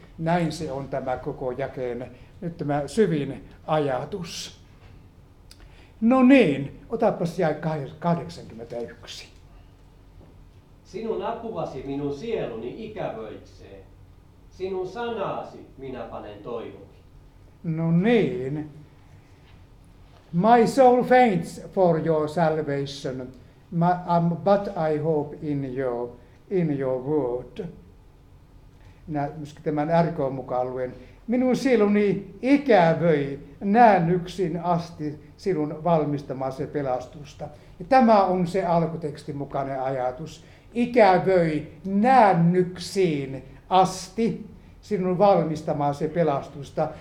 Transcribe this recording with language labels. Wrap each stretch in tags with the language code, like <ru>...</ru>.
<fi>Näin se on tämä koko jakeen, nyt tämä syvin ajatus. No niin, otapas jäi 81. Sinun apuasi minun sieluni ikävöitsee, sinun sanasi minä panen toivoni. No niin.</fi> <en>My soul faints for your salvation, but I hope in your word.</en> <fi>Minä myöskin tämän RK:n mukaan luen. Minun sieluni ikävöi, näen yksin asti sinun valmistamasi pelastusta. Ja tämä on se alkutekstin mukainen ajatus. Ikävöi, näen yksin asti sinun valmistamasi pelastusta.</fi>